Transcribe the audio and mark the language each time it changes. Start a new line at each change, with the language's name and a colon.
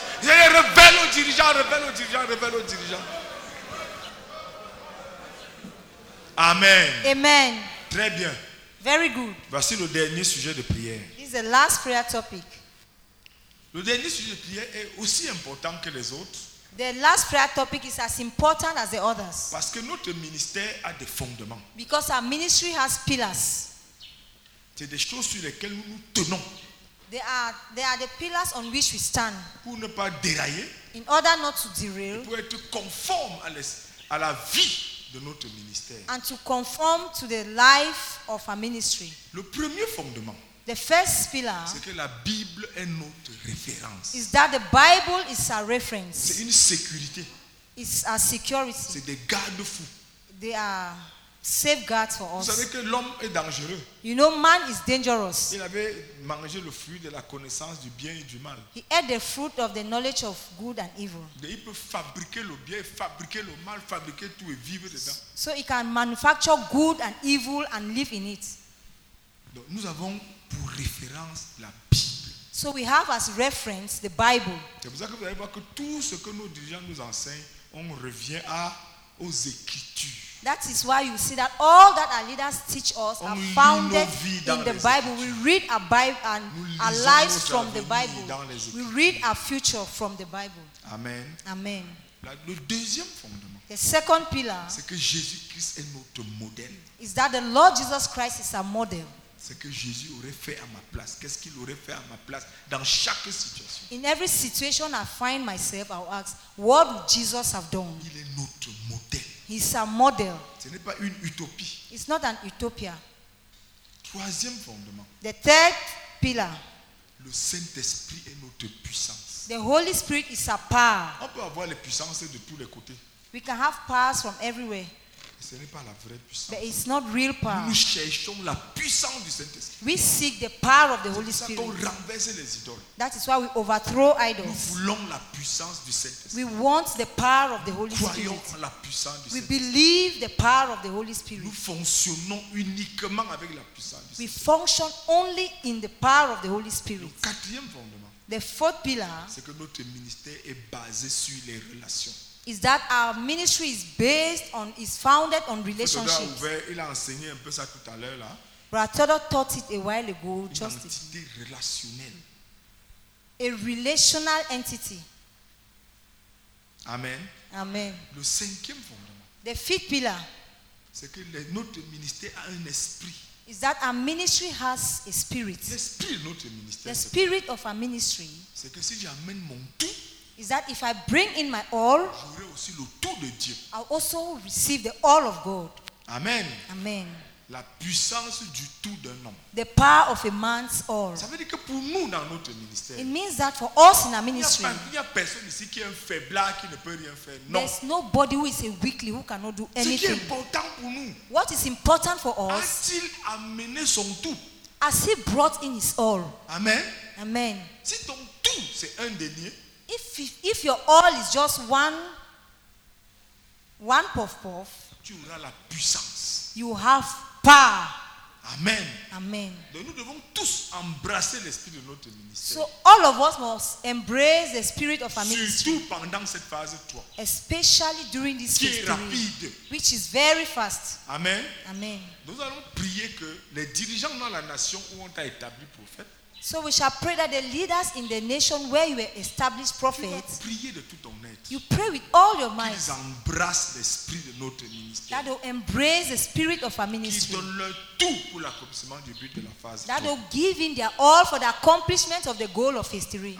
French: Seigneur, révèle aux dirigeants, révèle aux dirigeants, révèle aux dirigeants. Amen.
English: Amen.
French: Très bien.
English: Very good.
French: Voici le dernier sujet de prière.
English: This is the last prayer topic.
French: Le dernier sujet de prière est aussi important que les autres.
English: The last prayer topic is as important as the others.
French: Parce que notre ministère a des fondements.
English: Because our ministry has pillars.
French: C'est des choses sur lesquelles nous nous tenons.
English: They are the pillars on which we stand.
French: Pour ne pas dérailler.
English: In order not to derail.
French: Pour être conforme à la vie de notre ministère.
English: And to conform to the life of our ministry.
French: Le premier fondement.
English: The first pillar.
French: C'est que la Bible est notre référence.
English: Is that the Bible is our reference.
French: C'est une sécurité.
English: It's our security.
French: C'est des garde-fous.
English: They are safeguards for
French: vous Savez que l'homme est dangereux.
English: You know, man is dangerous.
French: Il avait mangé le fruit de la connaissance du bien et du mal.
English: He ate the fruit of the knowledge of good and evil.
French: Et il peut fabriquer le bien, fabriquer le mal, fabriquer tout et vivre dedans.
English: So he can manufacture good and evil and live in it.
French: Donc nous avons pour référence la Bible.
English: So we have as reference the Bible.
French: C'est pour ça que vous allez voir que tout ce que nos dirigeants nous enseignent, on revient aux Écritures.
English: That is why you see that all that our leaders teach us are founded in the Bible. We read our Bible and our lives from the Bible. We read our future from the Bible. Amen. Amen.
French: Le deuxième fondement.
English: The second pillar.
French: C'est que Jésus-Christ est notre modèle.
English: Is that the Lord Jesus Christ is our model.
French: C'est que Jésus aurait fait à ma place. Qu'est-ce qu'il aurait fait à ma place dans chaque situation?
English: In every situation I find myself, I'll ask, what would Jesus have done?
French: Il est notre modèle.
English: He's a model.
French: Ce n'est pas une utopie.
English: It's not an utopia.
French: Troisième fondement.
English: The third pillar.
French: Le Saint-Esprit est notre puissance.
English: The Holy Spirit is a power.
French: On peut avoir les puissances de tous les côtés.
English: We can have powers from everywhere.
French: Ce n'est pas la vraie puissance.
English: But it's not real power.
French: Nous cherchons la puissance du Saint-Esprit.
English: We seek the power of the Holy Spirit.
French: C'est pour ça qu'on renverse les idoles.
English: That is why we overthrow idols.
French: Nous voulons la puissance du Saint-Esprit.
English: We want the power of the Holy Spirit.
French: Nous croyons en la puissance du
English: Saint-Esprit. We believe the power of the Holy Spirit.
French: Nous fonctionnons uniquement avec la puissance du Saint-Esprit.
English: We function only in the power of the Holy Spirit.
French: Le quatrième fondement.
English: The fourth pillar.
French: C'est que notre ministère est basé sur les relations.
English: Is that our ministry is based on, is founded on relationships.
French: Il a enseigné un peu ça tout à l'heure là.
English: Brother Todo taught it a while ago. Just
French: une entité relationnelle.
English: A relational entity. Amen. Amen.
French: Le cinquième fondement.
English: The fifth pillar.
French: C'est que le, notre ministère a un esprit.
English: Is that our ministry has a spirit.
French: L'esprit de notre ministère.
English: The spirit of our ministry.
French: C'est que si j'amène mon tout.
English: Is that if I bring in my all,
French: j'aurai aussi le tout de Dieu.
English: I'll also receive the all of God. Amen. Amen.
French: La puissance du tout d'un homme.
English: The power of a man's all.
French: Ça veut dire que pour nous dans notre ministère.
English: It means that for us in our ministry.
French: Il y a personne ici qui est un faiblard qui ne peut rien faire. Non.
English: There's nobody who is a weakling who cannot do anything.
French: Ce qui est important pour nous.
English: What is important for us?
French: A-t-il amené son tout?
English: Has he brought in his all? Amen. Amen.
French: Si ton tout c'est un denier.
English: If your all is just one puff,
French: tu auras la puissance.
English: You have power. Amen. Amen.
French: Donc nous devons tous embrasser l'esprit de notre ministère.
English: So all of us must embrace the spirit of our ministry.
French: Surtout pendant cette phase 3.
English: Especially during this phase
French: 3. Rapide.
English: Which is very fast. Amen. Amen.
French: Nous allons prier que les dirigeants dans la nation où on t'a établi prophète.
English: So we shall pray that the leaders in the nation where you were established prophets, you pray with all your might
French: qu'ils embrassent l'esprit de notre ministère.
English: That will embrace the spirit of our ministry.
French: Qu'ils donnent leur tout pour l'accomplissement du but de la phase 3.
English: That will give in their all for the accomplishment of the goal of phase 3.